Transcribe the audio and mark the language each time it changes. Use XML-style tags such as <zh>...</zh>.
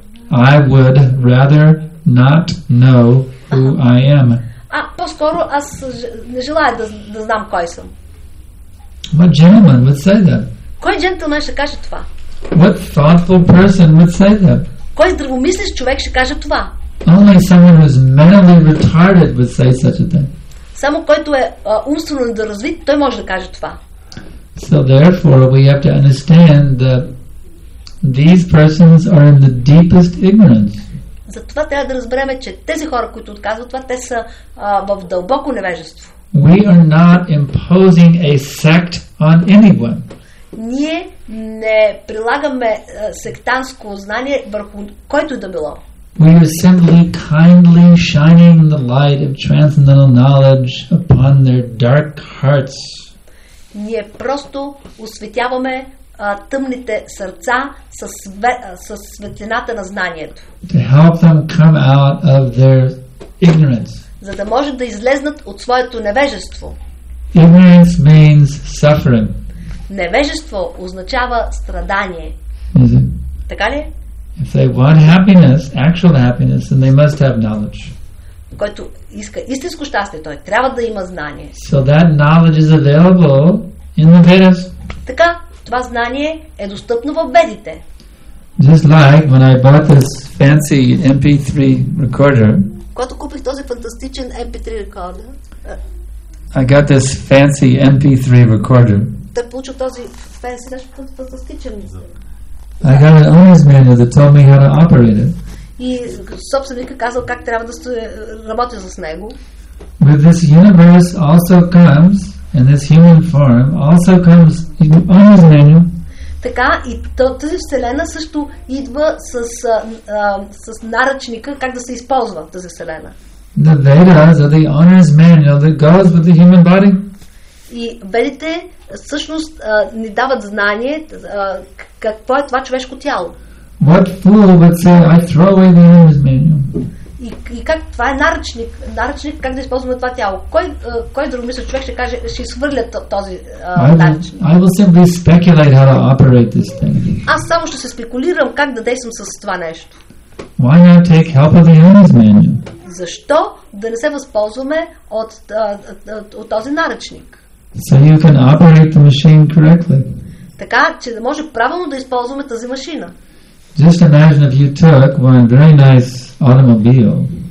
<en>I would rather not know who I am.</en> <bg>По-скоро аз не желая да знам кой съм.</bg> <en>What gentleman would say that?</en> <bg>Кой джентълмен ще каже това?</bg> <en>What thoughtful person would say that?</en> <bg>Кой здравомислиш човек ще каже това?</bg> <en>Only someone who is mentally retarded would say such a thing.</en> <bg>Само който е умствено недоразвит, той може да каже това.</bg> <en>So therefore we have to understand that these persons are in the deepest ignorance.</en> <bg>Затова трябва да разберем, че тези хора, които отказват това, те са в дълбоко невежество.</bg> <en>We are not imposing a sect on anyone.</en> <bg>Ние не прилагаме сектантско знание върху който да било.</bg> <en>We are simply kindly shining the light of transcendental knowledge upon their dark hearts.</en> <bg>Ние просто осветяваме тъмните сърца със светлината на знанието.</bg> <en>To help them come out of their ignorance.</en> <bg>За да може да излезнат от своето невежество.</bg> <en>Ignorance means suffering.</en> <bg>Невежество означава страдание. Така ли?</bg> <en>If they want happiness, actual happiness, then they must have knowledge.</en> <bg>Който иска истинско щастие, той трябва да има знание.</bg> <en>So that knowledge is available in the Vedas.</en> <bg>Така, това знание е достъпно в Ведите.</bg> <en>Just like when I bought this fancy MP3 recorder.</en> <bg>Когато купих този фантастичен MP3 recorder.</bg> <en>I got this fancy MP3 recorder. I got an owner's manual that told me how to operate it. With this universe also comes, and this human form also comes in the owner's manual.</en> <bg>Така и тази вселена също идва с наръчника как да се използва тази вселена.</bg> <en>The Vedas are the owner's manual that goes with the human body.</en> <bg>И Ведите всъщност ни дават знание какво е това човешко тяло.</bg> <en>What fool would say, I throw away the owner's manual.</en> <bg>И как това е наръчник, как да използваме това тяло? Кой друг мисля човек ще каже, ще изхвърля този наръчник?</bg> <en>I will simply speculate how to operate this thing.</en> <bg>Аз само ще се спекулирам как да действам с това нещо.</bg> <en>Why not take help of the owner's manual?</en> <bg>Защо да не се възползваме от този наръчник?</bg> <en>So you can operate the machine correctly.</en> <bg>Така че да може правилно да използваме тази машина.</bg> <en>Just imagine if you took one very nice automobile.</en>